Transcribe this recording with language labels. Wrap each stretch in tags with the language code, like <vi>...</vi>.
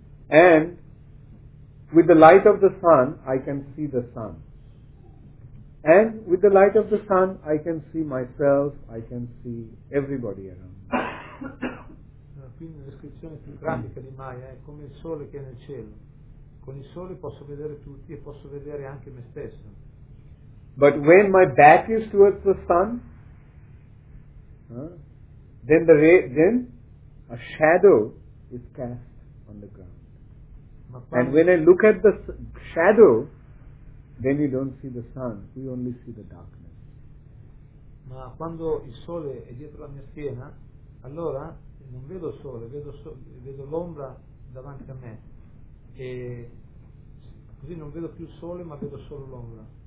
<en>And with the light of the sun, I can see the sun. And with the light of the sun, I can see myself, I can see everybody around me.</en> <it>Quindi la descrizione più grafica di Maya è come il sole che è nel cielo. Con il sole posso vedere tutti e posso vedere anche me stesso.</it> <en>But when my back is towards the sun, then a shadow is cast on the ground. And when I look at the shadow, then you don't see the sun, we only see the darkness.</en> <it>Ma quando il sole è dietro la mia schiena, allora non vedo il sole, vedo l'ombra davanti a me. E così non vedo più il sole, ma vedo solo l'ombra.</it>